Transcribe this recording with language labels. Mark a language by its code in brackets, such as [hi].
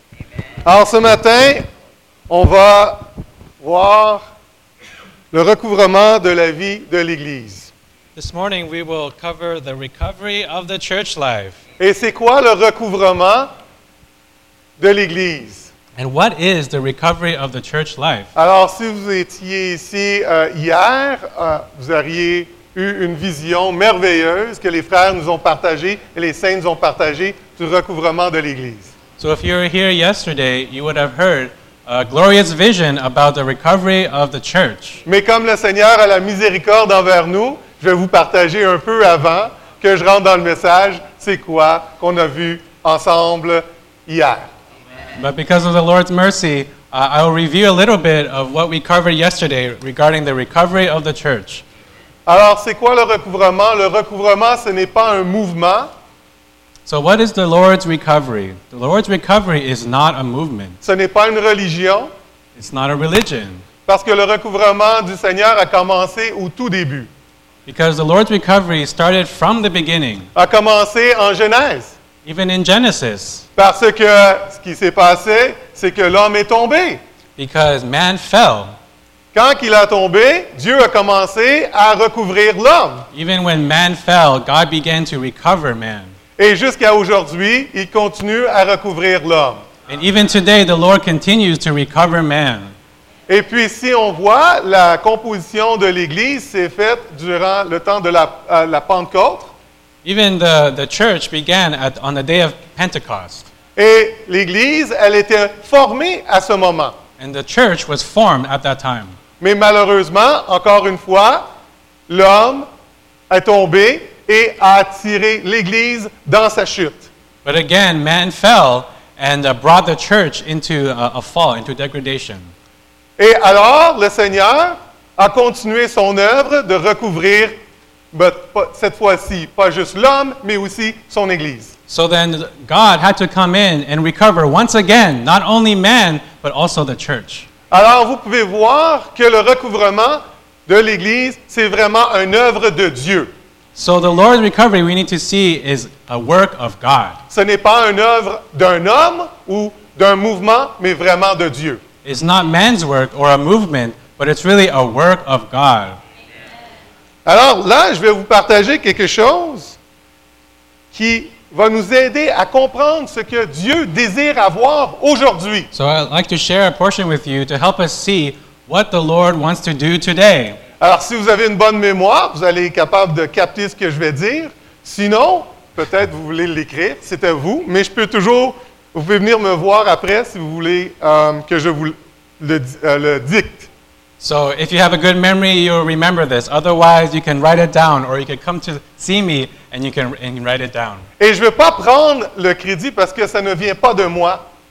[fr] Amen. Alors ce matin, on va voir le recouvrement de la vie de l'Église. [en] This morning we will cover the recovery of the church life. [fr] Et c'est quoi le recouvrement de l'Église? [en] And what is the recovery of the church life? [fr] Alors, si vous étiez ici hier, vous auriez eu une vision merveilleuse que les frères nous ont partagée et les saints nous ont partagée du recouvrement de l'Église. [en] So if you were here yesterday, you would have heard a glorious vision about the recovery of the church. [fr] Mais comme le Seigneur a la miséricorde envers nous, je vais vous partager un peu avant que je rentre dans le message, c'est quoi qu'on a vu ensemble hier. [en] But because of the Lord's mercy, I will review a little bit of what we covered yesterday regarding the recovery of the church. [fr] Alors, c'est quoi le recouvrement? Le recouvrement, ce n'est pas un mouvement. [en] So what is the Lord's recovery? The Lord's recovery is not a movement. [fr] Ce n'est pas une religion. [en] It's not a religion. [fr] Parce que le recouvrement du Seigneur a commencé au tout début. [en] Because the Lord's recovery started from the beginning. [fr] A commencé en Genèse. [en] Even in Genesis. [fr] Parce que ce qui s'est passé, c'est que l'homme est tombé. [en] Because man fell. [fr] Quand il a tombé, Dieu a commencé à recouvrir l'homme. [en] Even when man fell, God began to recover man. [fr] Et jusqu'à aujourd'hui, il continue à recouvrir l'homme. [en] And even today, the Lord continues to recover man. [fr] Et puis, si on voit, la composition de l'Église s'est faite durant le temps de la Pentecôte. [en] Even the church began on the day of Pentecost. [fr] Et l'Église, elle était formée à ce moment. [en] And the church was formed at that time. [fr] Mais malheureusement, encore une fois, l'homme est tombé et a attiré l'Église dans sa chute. [en] But again, man fell and brought the church into a fall, into degradation. [fr] Et alors, le Seigneur a continué son œuvre de recouvrir, cette fois-ci, pas juste l'homme, mais aussi son Église. [en] So then, God had to come in and recover once again, not only man, but also the church. [fr] Alors, vous pouvez voir que le recouvrement de l'Église, c'est vraiment une œuvre de Dieu. [en] So the Lord's recovery, we need to see, is a work of God. [fr] Ce n'est pas une œuvre d'un homme ou d'un mouvement, mais vraiment de Dieu. [en] It's not man's work or a movement, but it's really a work of God. [fr] Alors là, je vais vous partager quelque chose qui va nous aider à comprendre ce que Dieu désire avoir aujourd'hui. [en] So I'd like to share a portion with you to help us see what the Lord wants to do today. [fr] Alors si vous avez une bonne mémoire, vous allez être capable de capter ce que je vais dire. Sinon, peut-être vous voulez l'écrire, c'est à vous, mais je peux toujours... Vous pouvez venir me voir après si vous voulez que je vous le dicte. [en] So, if you have a good memory, you'll remember this. Otherwise, you can write it down or you can come to see me and you can write it down. [fr] Et je ne veux pas prendre le crédit parce que ça ne vient pas de moi.